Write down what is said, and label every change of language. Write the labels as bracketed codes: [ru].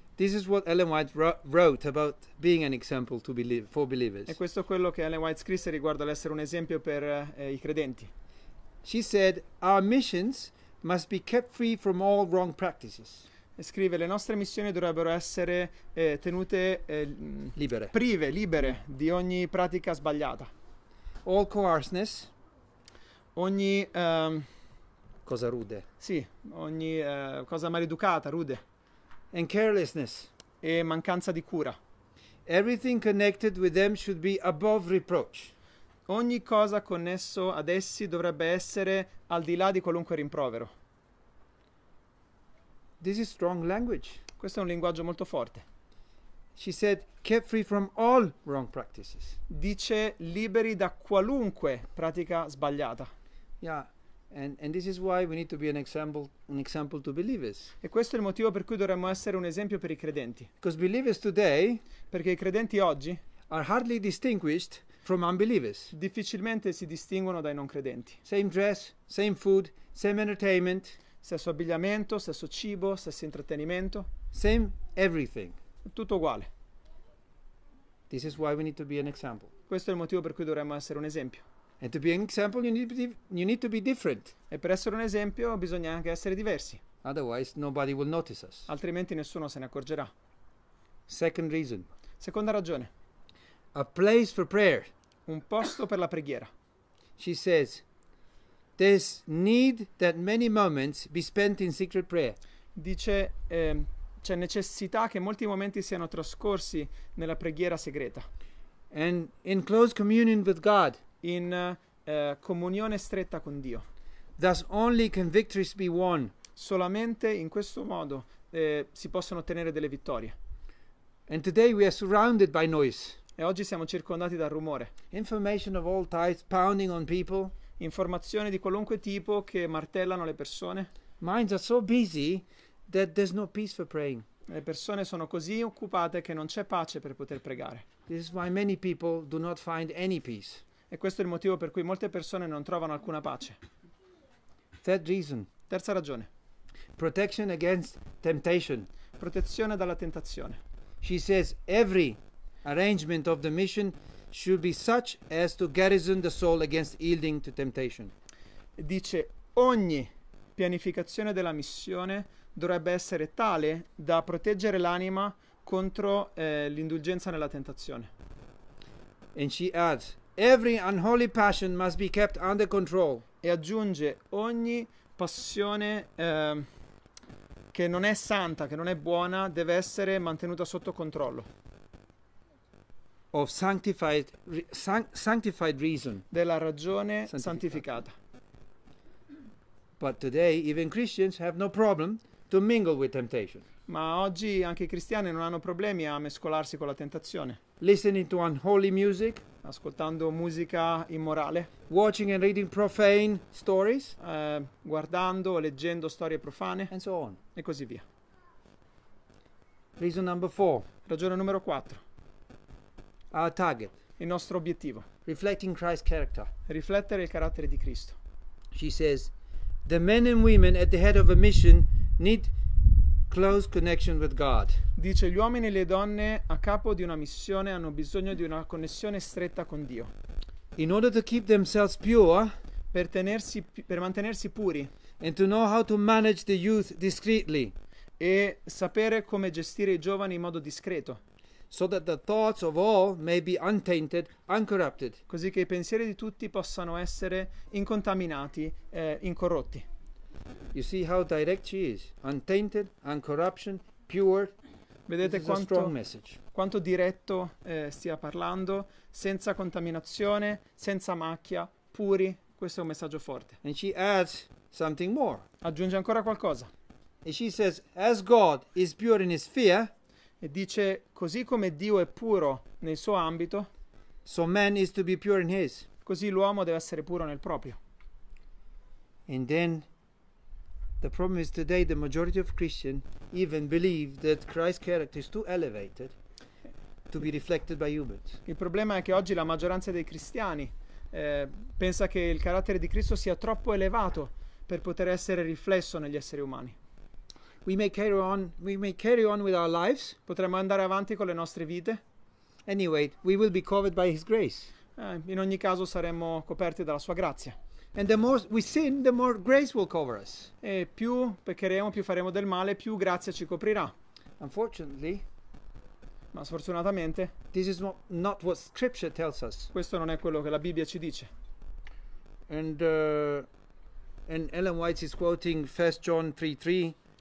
[en] This is what Ellen White wrote about being an example to believe for believers. [it] E questo è quello che Ellen White scrisse riguardo all'essere un esempio per i credenti. [en] She said, "Our missions must be kept free from all wrong practices." [it] E scrive, le nostre missioni dovrebbero essere tenute libere, prive, libere di ogni pratica sbagliata. [en] All coarseness. [it] Ogni cosa rude. Sì, ogni cosa maleducata, rude. [en] And carelessness. [it] E mancanza di cura. [en] Everything connected with them should be above reproach. [it] Ogni cosa connesso ad essi dovrebbe essere al di là di qualunque rimprovero. [en] This is strong language. [it] Questo è un linguaggio molto forte. [en] She said, kept free from all wrong practices. [it] Dice liberi da qualunque pratica sbagliata. [en] Yeah. And this is why we need to be an example to believers. [it] E questo è il motivo per cui dovremmo essere un esempio per i credenti. [en] Because believers today, [it] perché i credenti oggi, [en] are hardly distinguished from unbelievers. [it] Difficilmente si distinguono dai non credenti. [en] Same dress, same food, same entertainment. [it] Stesso abbigliamento, stesso cibo, stesso intrattenimento. [en] Same everything. [it] Tutto uguale. [en] This is why we need to be an example. [it] Questo è il motivo per cui dovremmo essere un esempio. [en] And to be an example, you need to be different. [it] E per essere un esempio bisogna anche essere diversi. [en] Otherwise, nobody will notice us. [it] Altrimenti nessuno se ne accorgerà. [en] Second reason. [it] Seconda ragione. [en] A place for prayer. [it] Un posto per la preghiera. [en] She says, there's need that many moments be spent in secret prayer. [it] Dice, c'è necessità che molti momenti siano trascorsi nella preghiera segreta. [en] And in close communion with God. [it] In comunione stretta con Dio. [en] Thus only can victories be won. [it] Solamente in questo modo si possono ottenere delle vittorie. [en] And today we are surrounded by noise. [it] E oggi siamo circondati dal rumore. [en] Information of all types pounding on people. [it] Informazioni di qualunque tipo che martellano le persone. [en] Minds are so busy that there's no peace for praying. [it] Le persone sono così occupate che non c'è pace per poter pregare. [en] This is why many people do not find any peace. [it] E questo è il motivo per cui molte persone non trovano alcuna pace. [en] Third reason. [it] Terza ragione. [en] Protection against temptation. [it] Protezione dalla tentazione. [en] She says every arrangement of the mission should be such as to garrison the soul against yielding to temptation. [it] Dice ogni pianificazione della missione dovrebbe essere tale da proteggere l'anima contro l'indulgenza nella tentazione. [en] And she adds, every unholy passion must be kept under control. [it] E aggiunge ogni passione che non è santa, che non è buona, deve essere mantenuta sotto controllo. [en] Of sanctified, sanctified reason. [it] Della ragione santificata. [en] But today even Christians have no problem to mingle with temptation. [it] Ma oggi anche i cristiani non hanno problemi a mescolarsi con la tentazione. [en] Listening to unholy music. [it] Ascoltando musica immorale. [en] Watching and reading profane stories. [it] Guardando o leggendo storie profane. [en] And so on. [it] E così via. [en] Reason number four. [it] Ragione numero quattro. [en] Our target. [it] Il nostro obiettivo. [en] Reflecting Christ's character. [it] Riflettere il carattere di Cristo. [en] She says, the men and women at the head of a mission need close connection with God. [it] Dice, gli uomini e le donne a capo di una missione hanno bisogno di una connessione stretta con Dio. [en] In order to keep themselves pure, [it] per mantenersi puri, [en] and to know how to manage the youth discreetly, [it] e sapere come gestire i giovani in modo discreto. [en] So that the thoughts of all may be untainted, uncorrupted. [it] Così che i pensieri di tutti possano essere incontaminati, incorrotti. [en] You see how direct she is. Untainted, uncorruption, pure. [it] Vedete quanto, [en] strong message. [it] Quanto diretto stia parlando, senza contaminazione, senza macchia, puri. Questo è un messaggio forte. [en] And she adds something more. [it] Aggiunge ancora qualcosa. [en] And she says, as God is pure in his sphere, [it] e dice così come Dio è puro nel suo ambito, [en] so man is to be pure in his. [it] Così l'uomo deve essere puro nel proprio. [en] And then the problem is today the majority of Christians even believe that Christ's character is too elevated to be reflected by humans. [it] Il problema è che oggi la maggioranza dei cristiani pensa che il carattere di Cristo sia troppo elevato per poter essere riflesso negli esseri umani. [en] We may carry on with our lives. [it] Potremmo andare avanti con le nostre vite. [en] Anyway, we will be covered by his grace. [it] In ogni caso saremmo coperti dalla sua grazia. [en] And the more we sin, the more grace will cover us. [it] E più peccheremo, più faremo del male, più grazia ci coprirà. [en] Unfortunately, [it] ma sfortunatamente, [en] this is not what scripture tells us. [it] Questo non è quello che la Bibbia ci dice. [en] And Ellen White is quoting 1 John 3:3.